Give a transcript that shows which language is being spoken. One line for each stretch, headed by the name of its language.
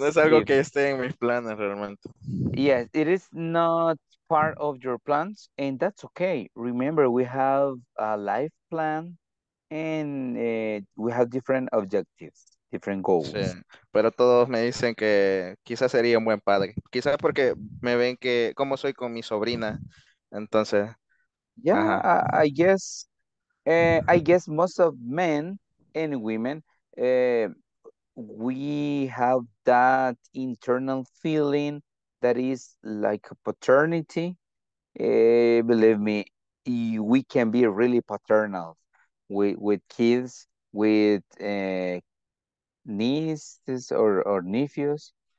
Spanish: no es algo que esté en mis planes realmente.
English: Yes, it is not part of your plans, and that's okay. Remember, we have a life plan, and we have different objectives, different goals.
Spanish: Sí, pero todos me dicen que quizás sería un buen padre. Quizás porque me ven que, como soy con mi sobrina, entonces, yeah, ajá.
English: I guess most of men and women, we have that internal feeling that is like paternity. Believe me, we can be really paternal with kids, with nieces or nephews.